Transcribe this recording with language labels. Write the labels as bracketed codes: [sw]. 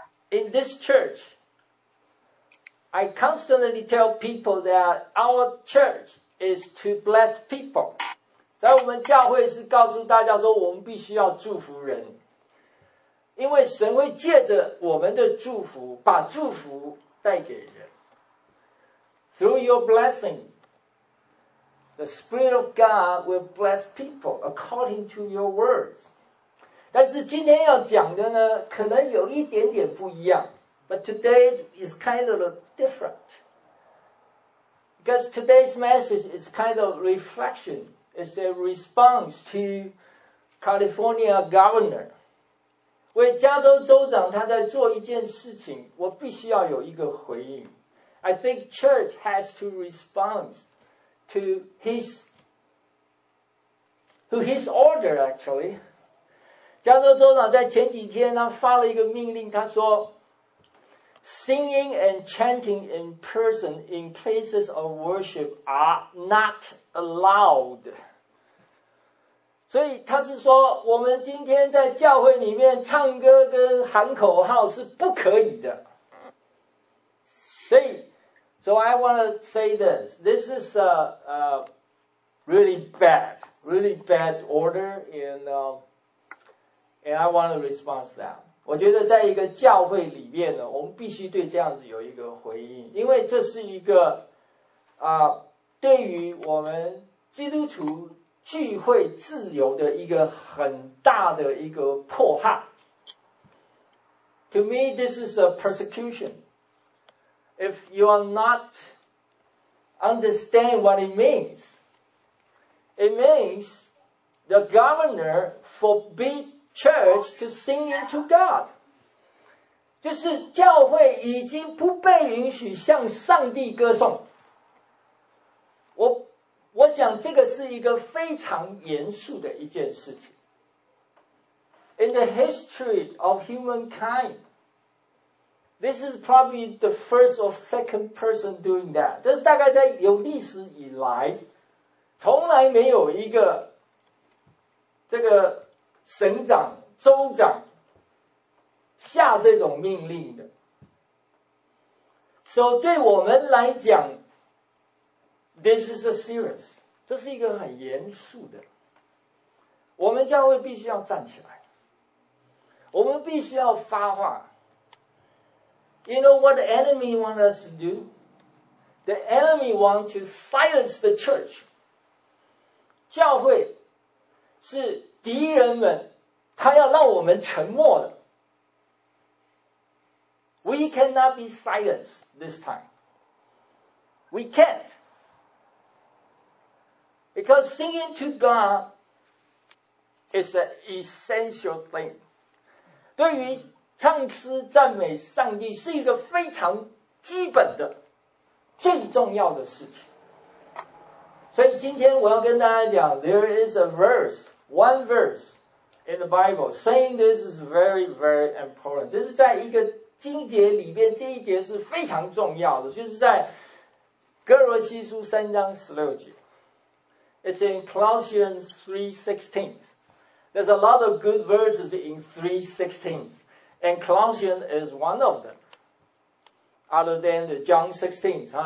[en] in this church, I constantly tell people that our church is to bless people. [zh] 在我们教会是告诉大家说我们必须要祝福人，因为神会借着我们的祝福把祝福带给人。 [en] Through your blessing, the Spirit of God will bless people according to your words. [zh] 但是今天要讲的呢可能有一点点不一样， [en] But today is kind of different, because today's message is kind of reflection. It's a response to California governor. [zh] 为加州州长他在做一件事情，我必须要有一个回应。 [en] I think church has to respond to his order actually. [zh] 加州州长在前几天他发了一个命令，他说 [en] Singing and chanting in person in places of worship are not allowed. [zh] 所以他是说我们今天在教会里面唱歌跟喊口号是不可以的。所以 [en] So I want to say this. This is a really bad order and I want to respond to that. [zh] 我觉得在一个教会里面呢，我们必须对这样子有一个回应，因为这是一个对于我们基督徒聚会自由的一个很大的一个迫害。 [en] To me, this is a persecution. If you are not understand what it means, it means the governor forbid church to sing into God. [zh] 就是教会已经不被允许向上帝歌颂。我想这个是一个非常严肃的一件事情。 [en] In the history of humankind, this is probably the first or second person doing that. [zh] 这是大概在有历史以来，从来没有一个这个省长、州长下这种命令的。所以对我们来讲 ， [en] this is a serious. [zh] 这是一个很严肃的，我们教会必须要站起来，我们必须要发话。 [en] You know what the enemy wants us to do? The enemy wants to silence the church. [zh] 教会是敌人们，他要让我们沉默的。 [en] We cannot be silenced this time. We can't. Because singing to God is an essential thing. [zh] 对于唱诗赞美上帝是一个非常基本的、最重要的事情。所以今天我要跟大家讲 [en] ,there is a verse, one verse in the Bible, saying this is very, very important. [zh] 这是在一个经节里面，这一节是非常重要的，就是在哥罗西书三章十六节。 [en] It's in Colossians 3:16. There's a lot of good verses in 3:16. And Colossians is one of them. Other than the John 16.